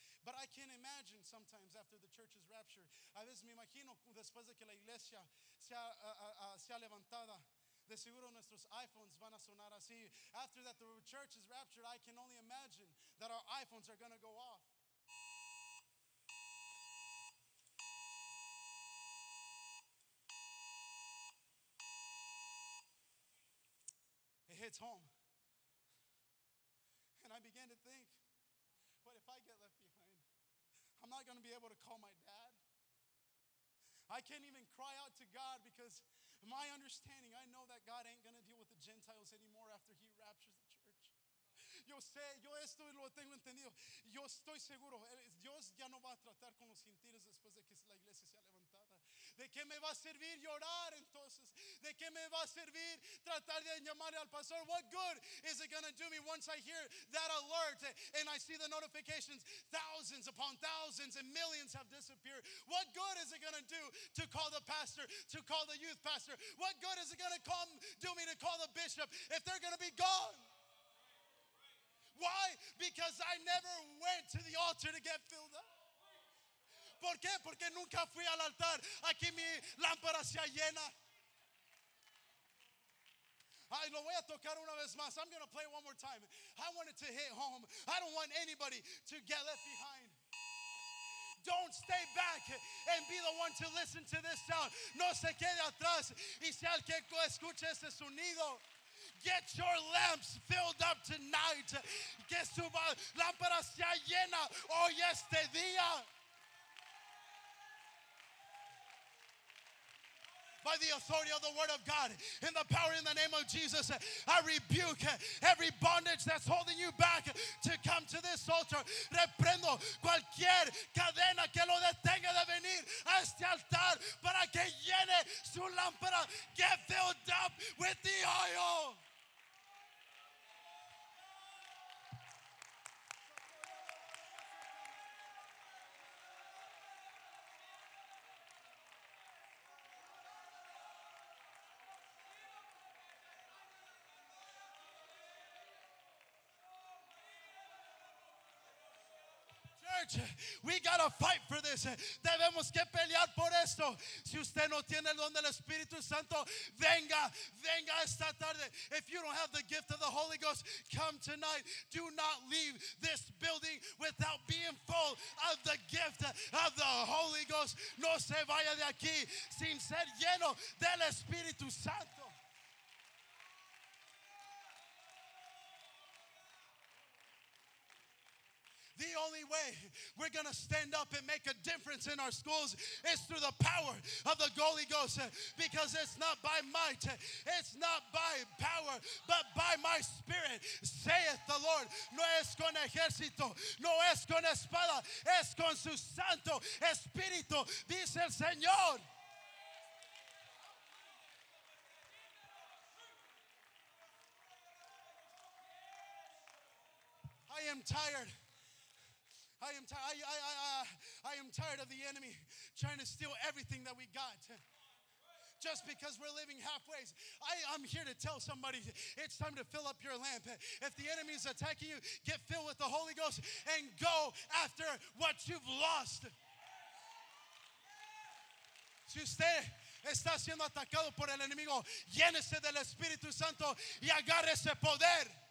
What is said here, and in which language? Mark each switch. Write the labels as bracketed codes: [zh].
[en] But I can imagine sometimes after the church is raptured. [es] A veces me imagino después de que la iglesia sea levantada. De seguro nuestros iPhones van a sonar así. [en] After that the church is raptured, I can only imagine that our iPhones are going to go off. It hits home. And I began to think, what if I get left behind? I'm not going to be able to call my dad. I can't even cry out to God because my understanding, I know that God ain't going to deal with the Gentiles anymore after he raptures the church. [es] Yo sé, yo esto lo tengo entendido. Yo estoy seguro. Dios ya no va a tratar con los gentiles después de que la iglesia sea levantada. ¿De qué me va a servir llorar entonces? ¿De qué me va a servir tratar de llamarle al pastor? [en] What good is it going to do me once I hear that alert and I see the notifications? Thousands upon thousands and millions have disappeared. What good is it going to do to call the pastor, to call the youth pastor? What good is it going to do me to call the bishop if they're going to be gone? Why? Because I never went to the altar to get filled up. [es] ¿Por qué? Porque nunca fui al altar. Aquí mi lámpara se llena. Ay, lo voy a tocar una vez más. [en] I'm going to play one more time. I want it to hit home. I don't want anybody to get left behind. Don't stay back and be the one to listen to this sound. [es] No se quede atrás y sea el que escuche ese sonido. [en] Get your lamps filled up tonight. [es] Que su lámpara sea llena hoy este día. [en] By the authority of the word of God, in the power in the name of Jesus, I rebuke every bondage that's holding you back to come to this altar. [es] Reprendo cualquier cadena que lo detenga de venir a este altar para que llene su lámpara. [en] Get filled up with the oil. We gotta fight for this. [es] Debemos que pelear por esto. Si usted no tiene el don del Espíritu Santo, venga, venga esta tarde. [en] If you don't have the gift of the Holy Ghost, come tonight. Do not leave this building without being full of the gift of the Holy Ghost. [es] No se vaya de aquí sin ser lleno del Espíritu Santo. [en] The only way we're going to stand up and make a difference in our schools is through the power of the Holy Ghost. Because it's not by might, it's not by power, but by my spirit, saith the Lord. [es] No es con ejército, no es con espada, es con su santo espíritu, dice el Señor. [en] I am tired. I am tired of the enemy trying to steal everything that we got just because we're living halfway. I'm here to tell somebody it's time to fill up your lamp. If the enemy is attacking you, get filled with the Holy Ghost and go after what you've lost. [es] Si usted está siendo atacado por el enemigo, llénese del Espíritu Santo y agarre ese poder.